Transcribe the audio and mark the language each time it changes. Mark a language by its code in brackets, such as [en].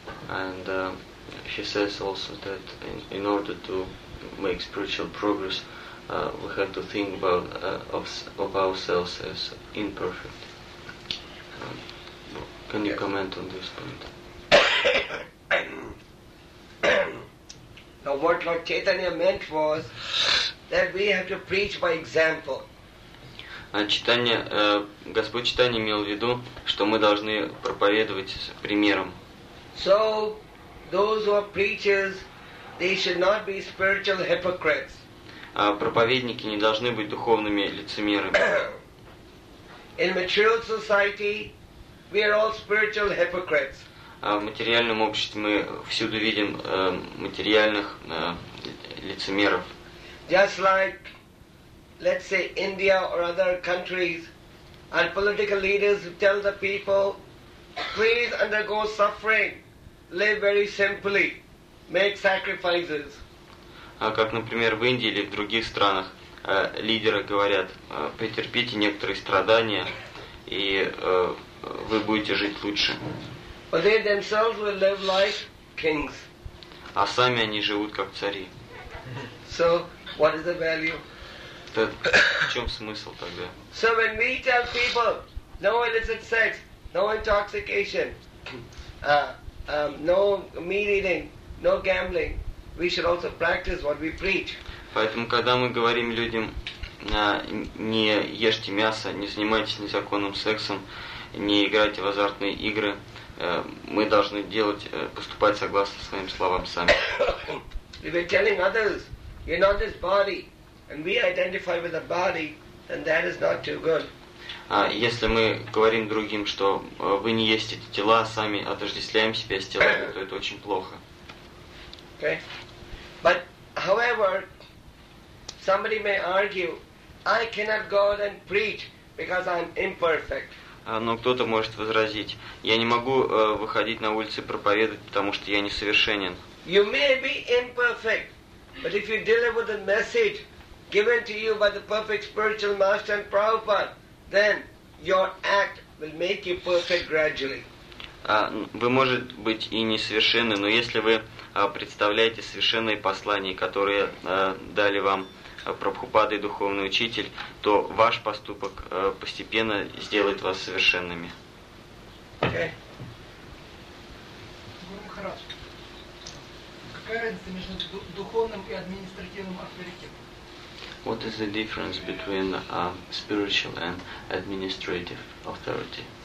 [en] And he says also that in order to make spiritual progress, we have to think about of ourselves as imperfect. Can you comment on this point? Now, what Lord Chaitanya meant was that we have to preach by example. [ru] Господь Чайтанья имел в виду, что мы должны проповедовать примером. [en] So those who are preachers, they should not be spiritual hypocrites. [ru] Проповедники не должны быть духовными лицемерами. [en] In material society, we are all spiritual hypocrites. [ru] В материальном обществе мы всюду видим материальных лицемеров. [en] Just like, let's say, India or other countries, and political leaders tell the people, please undergo suffering, live very simply, make sacrifices. [ru] Как, например, в Индии или в других странах, лидеры говорят, потерпите некоторые страдания, и вы будете жить лучше. [en] But they themselves will live like kings. [ru] А сами они живут как цари. [en] So, what is the value? [ru] Так, в чем смысл тогда? [en] So when we tell people, no illicit sex, no intoxication, no meat eating, no gambling, we should also practice what we preach. [ru] Поэтому, когда мы говорим людям, не ешьте мясо, не занимайтесь незаконным сексом, не играйте в азартные игры, мы должны поступать согласно своим словам сами. [en] If we're telling others, you're not this body, and we identify with the body, then that is not too good. [ru] Если мы говорим другим, что вы не есть эти тела, сами отождествляем себя с телами, то это очень плохо. [en] Okay. But, however, somebody may argue, I cannot go out and preach because I'm imperfect. [ru] Но кто-то может возразить, я не могу выходить на улицы и проповедовать, потому что я несовершенен. [en] You may be imperfect, But if you deliver the message given to you by the perfect spiritual master and Prabhupada, then your act will make you perfect gradually. [ru] Вы, может быть, и несовершенны, но если вы представляете совершенные послания, которые дали вам Прабхупада и Духовный Учитель, то ваш поступок постепенно сделает вас совершенными. Гуру Махарадж, какая разница между духовным и административным авторитетом? [en] What is the difference between spiritual and administrative authority?